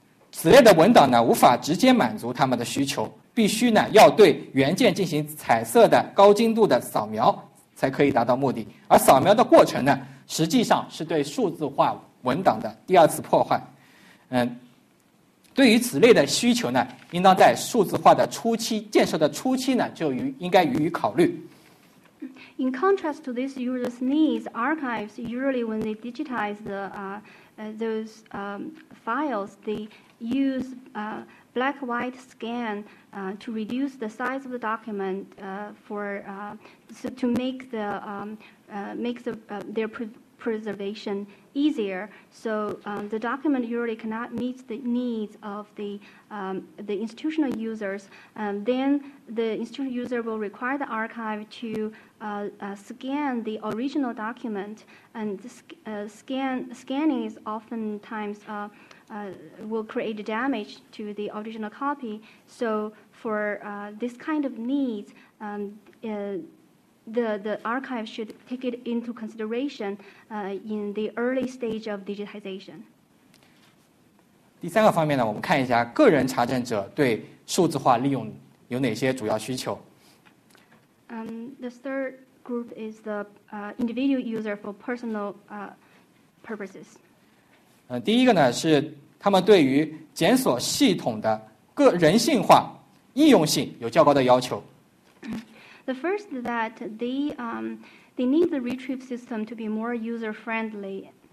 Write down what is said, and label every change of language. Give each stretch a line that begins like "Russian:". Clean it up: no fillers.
Chinese: 此类的文档呢, 无法直接满足他们的需求, 必须呢, 要对原件进行彩色的高精度的扫描, 才可以达到目的。而扫描的过程呢, 实际上是对数字化文档的第二次破坏。对于此类的需求呢, 应当在数字化的初期建设的初期呢, 就应该予以考虑。
English: In contrast to these users' needs, archives usually when they digitize the those files, they use black white scan to reduce the size of the document for to make the make the their preservation easier, so the document usually cannot meet the needs of the institutional users. Then the institutional user will require the archive to scan the original document, and scanning is oftentimes will create damage to the original copy. So for this kind of needs, the archive should take it into consideration in the early stage of digitization.
Chinese: 第三个方面呢, 我们看一下个人查证者对数字化利用有哪些主要需求。
English: The third group is the individual user for personal purposes.
Chinese: 第一个呢, 是他们对于检索系统的个人性化、易用性有较高的要求。
English: The first is that they need the retrieve system to be more user-friendly.